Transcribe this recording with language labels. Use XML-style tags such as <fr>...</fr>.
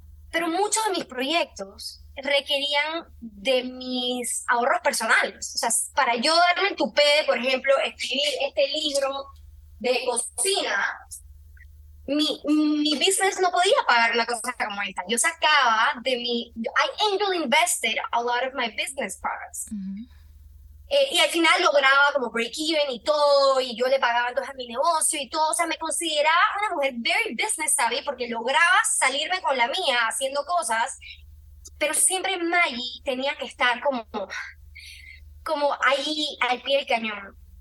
<es>Pero muchos de mis proyectos requerían de mis ahorros personales. O sea, para yo darme el tupé de, por ejemplo, escribir este libro de cocina, mi business no podía pagar una cosa como esta. Yo sacaba de mi...</es> <en>I angel invested a lot of my business products.</en> <es>Y al final lograba como break even y todo, y yo le pagaba entonces a mi negocio y todo. O sea, me consideraba una mujer</es> <en>very business savvy</en> <es>porque lograba salirme con la mía haciendo cosas, pero siempre Maggie tenía que estar como ahí al pie del cañón.</es>